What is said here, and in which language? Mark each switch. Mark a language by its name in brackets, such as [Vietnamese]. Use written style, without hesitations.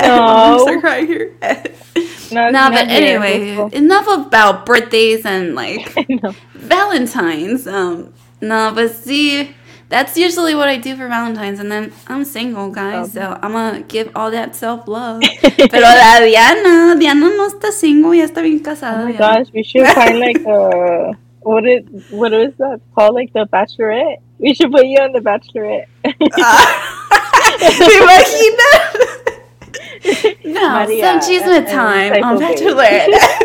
[English] I'm sorry, crying here. No, but anyway, enough about birthdays and like Valentine's. No, but see, that's usually what I do for Valentine's, and then I'm single, guys, so I'm gonna give all that self love. [Spanish] Pero la Diana no está single, ya está bien casada. [English] Oh my gosh, we should find like what is that called, like the bachelorette? We should put you on the bachelorette. [Spanish] ¿Te imaginas? [English] No, María, some chisme time on Bachelorette.